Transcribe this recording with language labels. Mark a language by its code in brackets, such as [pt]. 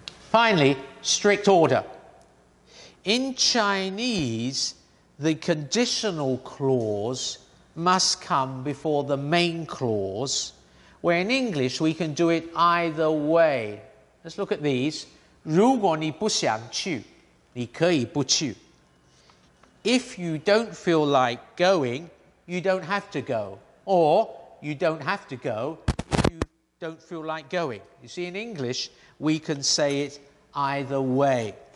[en] Finally, strict order. In Chinese, the conditional clause must come before the main clause, where in English we can do it either way. Let's look at these. [zh] 如果你不想去, 你可以不去. [en] If you don't feel like going, you don't have to go. Or you don't have to go if you don't feel like going. You see, in English, we can say it either way.